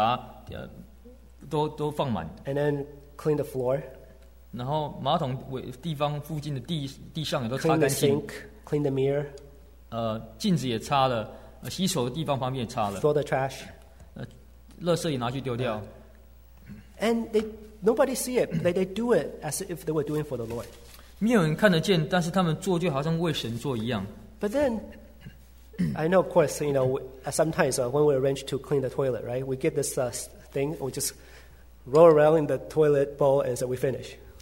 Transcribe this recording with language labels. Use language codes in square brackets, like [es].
[zh] 所以有些马桶清完了，还把这个马桶这个卫生纸把它都放满。 [en] And then clean the floor. [zh] 然后马桶地方附近的地上也都擦干净。 [en] Clean the sink, clean the mirror. [zh] 镜子也擦了，洗手的地方旁边也擦了。 [en] Throw the trash. [zh] 垃圾也拿去丢掉。 [en] And they. Nobody see it, but they do it as if they were doing for the Lord. [zh] 没有人看得见，但是他们做就好像为神做一样。 [en] But then, I know, of course, you know, sometimes when we arrange to clean the toilet, right? We get this thing, we just roll around in the toilet bowl and so we finish.